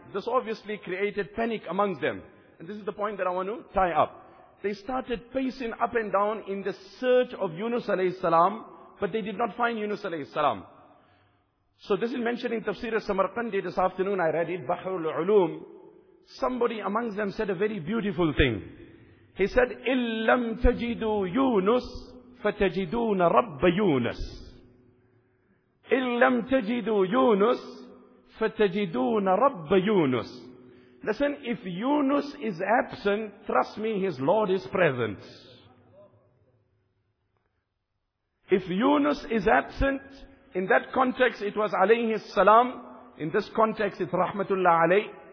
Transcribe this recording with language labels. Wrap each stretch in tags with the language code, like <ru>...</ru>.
<en>This obviously created panic amongst them. And this is the point that I want to tie up. They started pacing up and down in the search of Yunus alayhi salam, but they did not find Yunus alayhi salam. So this is mentioned in Tafsir al-Samarqandi this afternoon. I read it, Bahrul Ulum. Somebody amongst them said a very beautiful thing. He said,</en> <ar>إِلَّمْ تَجِدُوا يُونُسْ فَتَجِدُونَ رَبَّ يُونَسْ إِلَّمْ تَجِدُوا يُونُسْ فَتَجِدُونَ رَبَّ يُونَسْ.</ar> <en>Listen, if Yunus is absent, trust me, his Lord is present. If Yunus is absent, in that context it was alayhi salam, in this context it's rahmatullah alayhi.</en>